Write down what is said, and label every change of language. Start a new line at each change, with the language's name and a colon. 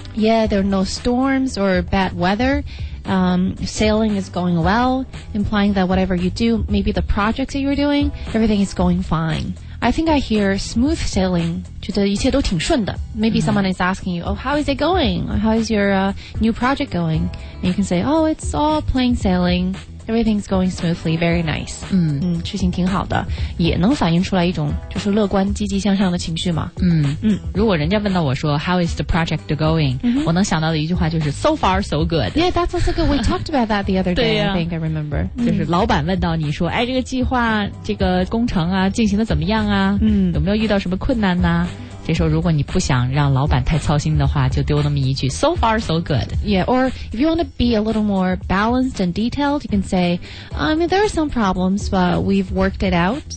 English: Yeah, there are no storms or bad weather. Sailing is going well, implying that whatever you do, maybe the projects that you're doing, everything is going fine. I think I hear smooth sailing,
Chinese: 觉得一切都挺顺的。
English: Maybe、mm-hmm. someone is asking you, oh, how is it going? How is your、new project going? And you can say, oh, it's all plain sailing. Everything's going smoothly, very nice.
Chinese: 事情挺好的，也能反映出来一种就是乐观积极向上的情绪嘛。如果人家问到我说
English: How is the project going?、 Mm-hmm.
Chinese: 我能想到的一句话就是
English: So far, so good. Yeah, that's also good. We talked about that the other day, 、啊、 I think I remember.
Chinese: 就是老板问到你说哎，这个计划这个工程啊进行的怎么样啊、有没有遇到什么困难呢、这时候如果你不想让老板太操心的话，就丢那么一句
English: So far so good. Yeah, or if you want to be a little more balanced and detailed, you can say, I mean, there are some problems, but we've worked it out.